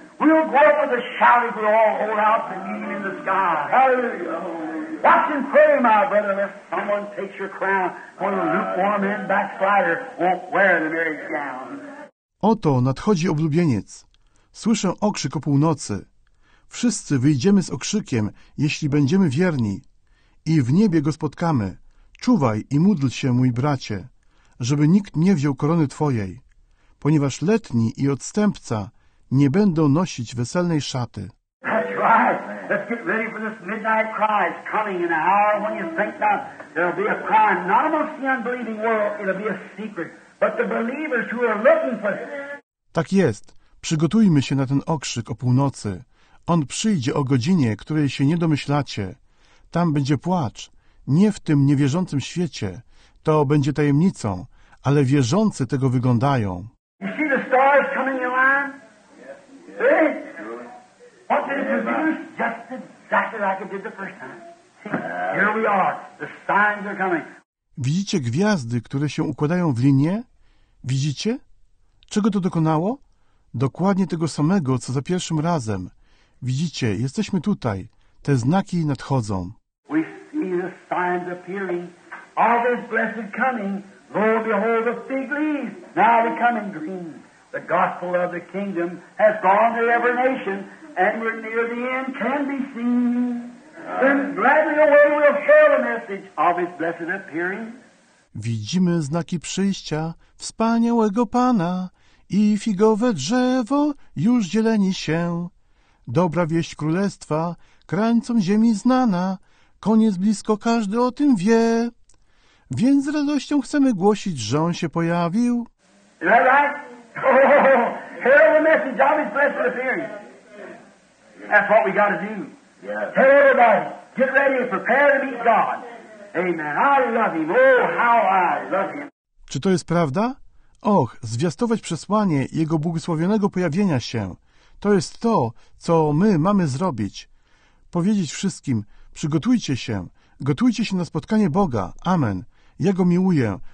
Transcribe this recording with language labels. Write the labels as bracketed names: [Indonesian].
[English] We'll go up with a shout, we'll all hold out the moon in the sky. Hallelujah. Watch and pray, my brother, lest someone takes your crown, when a lukewarm and backslider won't wear the marriage gown. [Polish] Oto nadchodzi oblubieniec. Słyszę okrzyk o północy. Wszyscy wyjdziemy z okrzykiem, jeśli będziemy wierni. I w niebie go spotkamy. Czuwaj i módl się, mój bracie, żeby nikt nie wziął korony Twojej, ponieważ letni i odstępca nie będą nosić weselnej szaty. [English] That's right. Let's get ready for this midnight cry. It's coming in an hour when you think that there'll be a cry, not amongst the unbelieving world, it'll be a secret, but the believers who are looking for it. [Polish] Tak jest. Przygotujmy się na ten okrzyk o północy. On przyjdzie o godzinie, której się nie domyślacie. Tam będzie płacz, nie w tym niewierzącym świecie. To będzie tajemnicą, ale wierzący tego wyglądają. [English] You see the stars coming in line? What did it produce? Just exactly like it did the first time. Here we are. The signs are coming. [Polish] Widzicie gwiazdy, które się układają w linię? Widzicie? Czego to dokonało? Dokładnie tego samego, co za pierwszym razem. Widzicie, jesteśmy tutaj. Te znaki nadchodzą. [English] We see the signs appearing. All this blessed coming, Lord, behold the fig leaves, now becoming green. The gospel of the kingdom has gone to every nation, and we're near the end, can be seen. Then gladly away we'll share the message of his blessed appearing. [Polish] Widzimy znaki przyjścia wspaniałego Pana i figowe drzewo już zieleni się. Dobra wieść królestwa, krańcom ziemi znana, koniec blisko, każdy o tym wie. Więc z radością chcemy głosić, że On się pojawił. [English] Is that right? Oh, tell the message of His blessed appearing. That's what we got to do. Tell everybody, get ready and prepare to meet God. Amen. I love Him. Oh, how I love Him. [Polish] Czy to jest prawda? Och, zwiastować przesłanie Jego błogosławionego pojawienia się. To jest to, co my mamy zrobić. Powiedzieć wszystkim, przygotujcie się. Gotujcie się na spotkanie Boga. Amen. Ja Go miłuję.